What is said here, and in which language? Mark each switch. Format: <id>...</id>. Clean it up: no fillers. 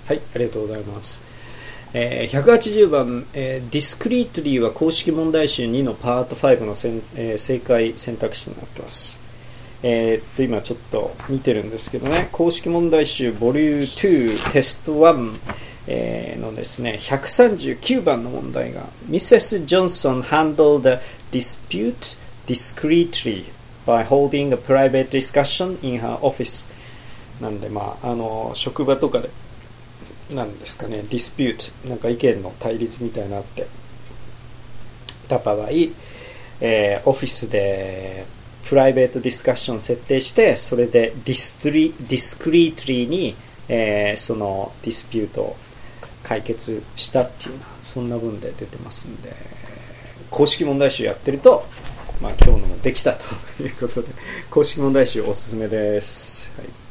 <ja>はい、ありがとうございます。180番、Discreetly は公式問題集2のパート5の正解選択肢になってます。今ちょっと見てるんですけどね、公式問題集ボリューム2テスト1、のですね、139番の問題が Mrs.</ja> <en>Johnson handled the dispute discreetly by holding a private discussion in her office。</en> <ja>なんで、まあ、職場とかで何ですかね、ディスピュート、なんか意見の対立みたいなってた場合、オフィスでプライベートディスカッション設定して、それでディスクリートリーに、そのディスピュートを解決したっていうな、そんな文で出てますんで、公式問題集やってると、まあ、今日のもできたということで、公式問題集おすすめです。はい、</ja>